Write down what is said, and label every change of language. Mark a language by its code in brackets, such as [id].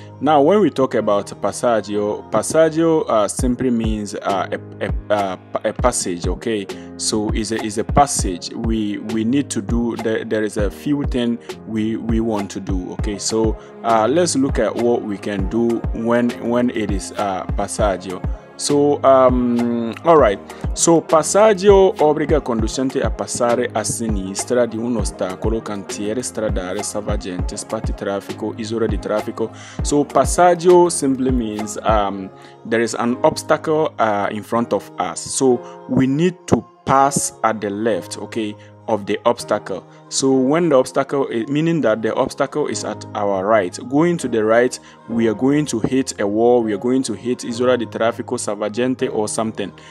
[en] Now when we talk about passaggio simply means a passage. Okay, so is a passage. We need to do there is a few things we want to do. Okay, so let's look at what we can do when it is passaggio. So all right, so [it] passaggio obbliga conducente a passare a sinistra di un ostacolo, cantiere stradale, salvagente, spazi traffico, isola di traffico. [en] So passaggio simply means there is an obstacle in front of us, so we need to pass at the left, okay, of the obstacle. So when the obstacle is, meaning that the obstacle is at our right, going to the right, we are going to hit a wall, we are going to hit [it] isola di traffico, salvagente, [en] or something.